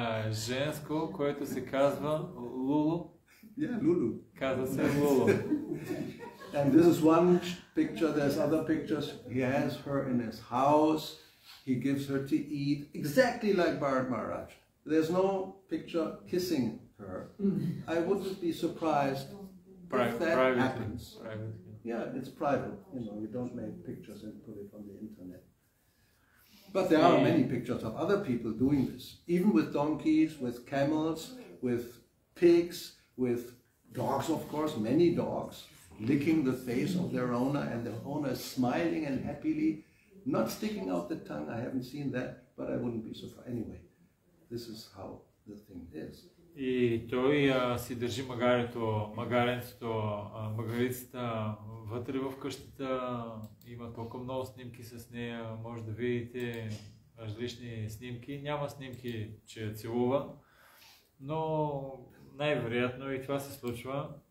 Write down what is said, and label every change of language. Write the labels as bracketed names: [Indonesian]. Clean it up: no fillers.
[Bulgarian] Женско, което се казва Лулу. [English] Yeah, Lulu. [Bulgarian] Казва се Лулу. [English] And this is one picture, there's other pictures. He has her in his house. He gives her to eat exactly like Bharat Maharaj. There's no picture kissing her. I wouldn't be surprised if that privately happens. Yeah, it's private. You know, you don't make pictures and put it on the internet. But there are many pictures of other people doing this, even with donkeys, with camels, with pigs, with dogs, of course, many dogs, licking the face of their owner, and the owner smiling and happily, not sticking out the tongue. I haven't seen that, but I wouldn't be surprised. Anyway. This is how the thing is. [Bulgarian] И той си държи магаренцето, магарицата вътре в къщата. Има толкова много снимки с нея, може да видите различни снимки. Няма снимки, че я целува, но най-вероятно и това се случва.